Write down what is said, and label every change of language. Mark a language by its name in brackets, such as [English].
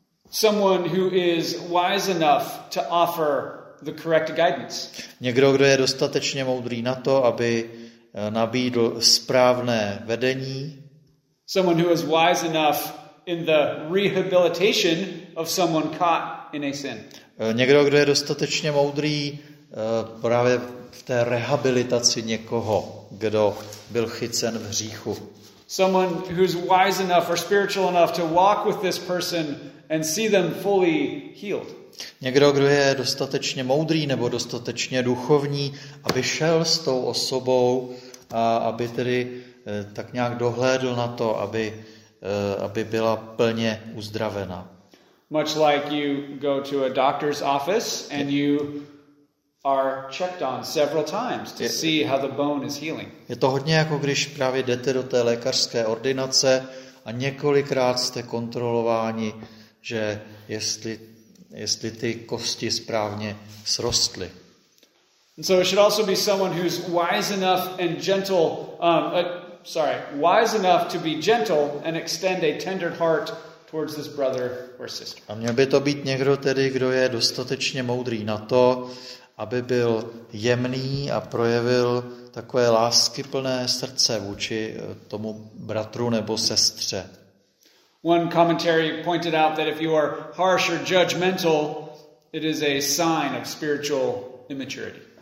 [English] Someone who is wise enough to offer the correct guidance. [Czech] Někdo, kdo je dostatečně moudrý na to, aby nabídl správné vedení. [English] Someone who is wise enough in the rehabilitation of someone caught in a sin. [Czech] Někdo, kdo je dostatečně moudrý právě v té rehabilitaci někoho, kdo byl chycen v hříchu. [English] Someone who's wise enough or spiritual enough to walk with this person and see them fully healed. [Czech] Někdo, kdo je dostatečně moudrý nebo dostatečně duchovní, aby šel s tou osobou a aby tedy tak nějak dohlédl na to, aby byla plně uzdravena. [English] Much like you go to a doctor's office and you are checked on several times to see how the bone is healing. [Czech] Je to hodně jako když právě jdete do té lékařské ordinace a několikrát jste kontrolováni, že jestli jestli ty kosti správně srostly. [English] And so it should also be someone who's wise enough and gentle, wise enough to be gentle and extend a tender heart towards this brother or sister. [Czech] A měl by to být někdo tedy, kdo je dostatečně moudrý na to, aby byl jemný a projevil takové láskyplné srdce vůči tomu bratru nebo sestře. [English] One commentary pointed out that if you are harsh or judgmental, it is a sign of spiritual immaturity.